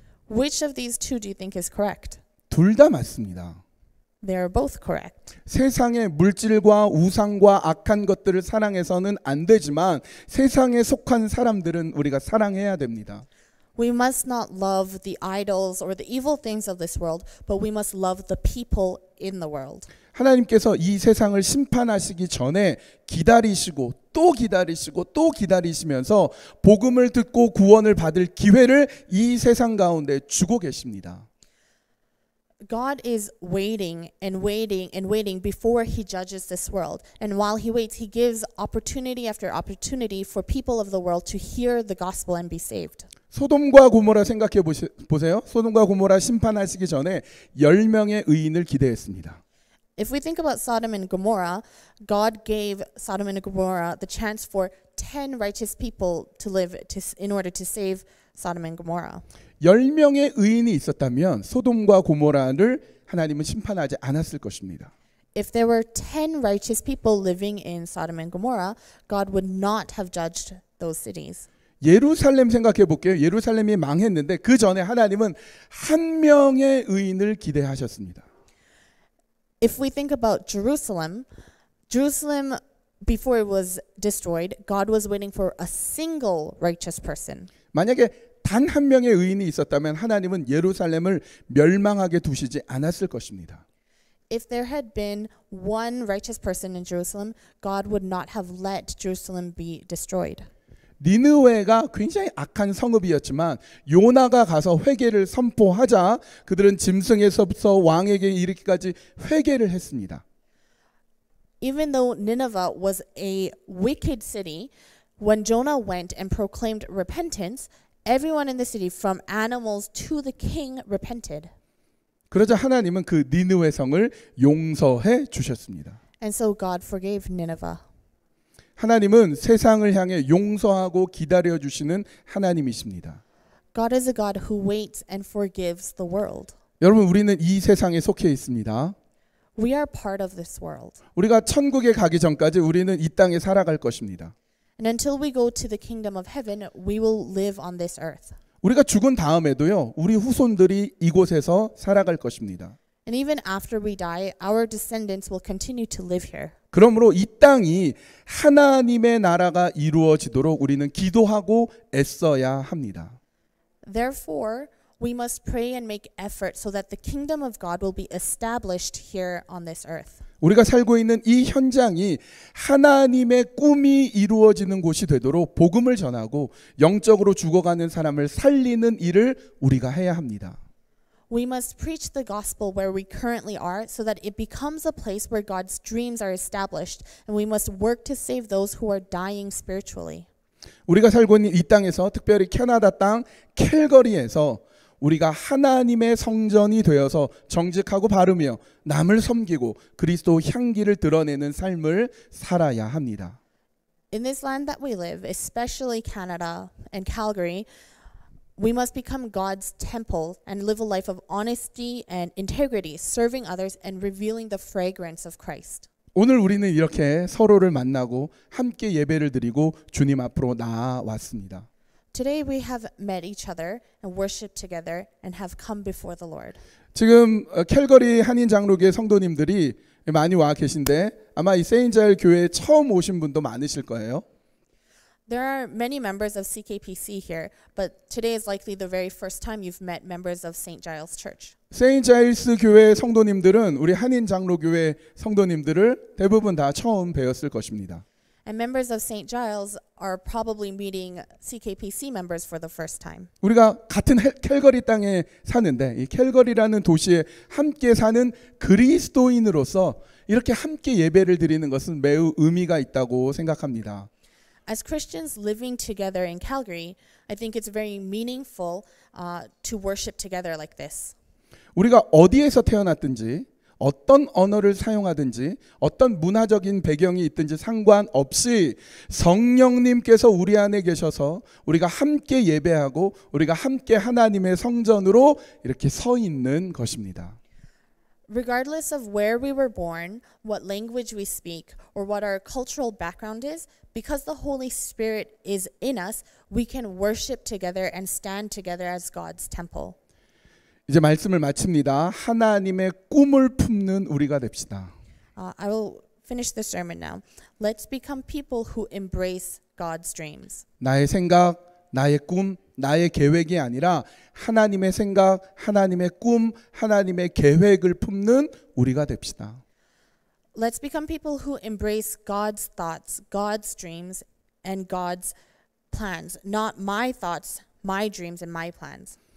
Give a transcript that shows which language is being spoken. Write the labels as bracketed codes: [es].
[en] Which of these two do you think is correct? [ko] 둘 다 맞습니다. [en] They are both correct. [ko] 세상의 물질과 우상과 악한 것들을 사랑해서는 안 되지만 세상에 속한 사람들은 우리가 사랑해야 됩니다. [en] We must not love the idols or the evil things of this world, but we must love the people in the world. [ko] 하나님께서 이 세상을 심판하시기 전에 기다리시고 또 기다리시고 또 기다리시면서 복음을 듣고 구원을 받을 기회를 이 세상 가운데 주고 계십니다. [en] God is waiting and waiting and waiting before he judges this world. And while he waits, he gives opportunity after opportunity for people of the world to hear the gospel and be saved. [ko] 소돔과 고모라 생각해 보세요. 소돔과 고모라 심판하시기 전에 10명의 의인을 기대했습니다. [en] If we think about Sodom and Gomorrah, God gave Sodom and Gomorrah the chance for 10 righteous people to live in order to save Sodom and Gomorrah. [ko] 10명의 의인이 있었다면 소돔과 고모라를 하나님은 심판하지 않았을 것입니다. [en] If there were 10 righteous people living in Sodom and Gomorrah, God would not have judged those cities. [ko] 예루살렘 생각해 볼게요. 예루살렘이 망했는데 그 전에 하나님은 한 명의 의인을 기대하셨습니다. [en] If we think about Jerusalem before it was destroyed, God was waiting for a single righteous person. [ko] 만약에 단 한 명의 의인이 있었다면 하나님은 예루살렘을 멸망하게 두시지 않았을 것입니다. [en] If there had been one righteous person in Jerusalem, God would not have let Jerusalem be destroyed. [ko] 니느웨가 굉장히 악한 성읍이었지만 요나가 가서 회개를 선포하자 그들은 짐승에서부터 왕에게 이르기까지 회개를 했습니다. [en] Even though Nineveh was a wicked city, when Jonah went and proclaimed repentance, everyone in the city from animals to the king repented. [ko] 그러자 하나님은 그 니느웨 성을 용서해 주셨습니다. [en] And so God forgave Nineveh. [ko] 하나님은 세상을 향해 용서하고 기다려 주시는 하나님이십니다. [en] God is a God who waits and forgives the world. [ko] 여러분 우리는 이 세상에 속해 있습니다. [en] We are part of this world. [ko] 우리가 천국에 가기 전까지 우리는 이 땅에 살아갈 것입니다. [en] And until we go to the kingdom of heaven, we will live on this earth. [ko] 우리가 죽은 다음에도요, 우리 후손들이 이곳에서 살아갈 것입니다. [en] And even after we die, our descendants will continue to live here. [ko] 그러므로 이 땅이 하나님의 나라가 이루어지도록 우리는 기도하고 애써야 합니다. [en] Therefore, we must pray and make effort so that the kingdom of God will be established here on this earth. [ko] 우리가 살고 있는 이 현장이 하나님의 꿈이 이루어지는 곳이 되도록 복음을 전하고 영적으로 죽어가는 사람을 살리는 일을 우리가 해야 합니다. [en] We must preach the gospel where we currently are so that it becomes a place where God's dreams are established and we must work to save those who are dying spiritually. [ko] 우리가 살고 있는 이 땅에서 특별히 캐나다 땅 캘거리에서 우리가 하나님의 성전이 되어서 정직하고 바르며 남을 섬기고 그리스도 향기를 드러내는 삶을 살아야 합니다. [en] In this land that we live, especially Canada and Calgary, we must become God's temple and live a life of honesty and integrity, serving others and revealing the fragrance of Christ. [ko] 오늘 우리는 이렇게 서로를 만나고 함께 예배를 드리고 주님 앞으로 나아왔습니다. [en] Today we have met each other and worshiped together and have come before the Lord. [ko] 지금 캘거리 한인 장로교회 성도님들이 많이 와 계신데 아마 이 세인자일 교회에 처음 오신 분도 많으실 거예요. [en] There are many members of CKPC here, but today is likely the very first time you've met members of St. Giles Church. St. [ko] Giles 교회 성도님들은 우리 한인 장로교회 성도님들을 대부분 다 처음 뵈었을 것입니다. [en] And members of St. Giles are probably meeting CKPC members for the first time. [ko] 우리가 같은 캘거리 땅에 사는데 이 캘거리라는 도시에 함께 사는 그리스도인으로서 이렇게 함께 예배를 드리는 것은 매우 의미가 있다고 생각합니다. [en] As Christians living together in Calgary, I think it's very meaningful to worship together like this. [ko] 우리가 어디에서 태어났든지 어떤 언어를 사용하든지 어떤 문화적인 배경이 있든지 상관없이 성령님께서 우리 안에 계셔서 우리가 함께 예배하고 우리가 함께 하나님의 성전으로 이렇게 서 있는 것입니다. [en] Regardless of where we were born, what language we speak, or what our cultural background is, because the Holy Spirit is in us, we can worship together and stand together as God's temple. [ko] 이제 말씀을 마칩니다. 하나님의 꿈을 품는 우리가 됩시다. [en] I will finish the sermon now. Let's become people who embrace God's dreams. [ko] 나의 생각, 나의 꿈, 나의 계획이 아니라 하나님의 생각, 하나님의 꿈, 하나님의 계획을 품는 우리가 됩시다. [en] Let's become people who embrace God's thoughts, God's dreams, and God's plans, not my thoughts, my dreams, and my plans.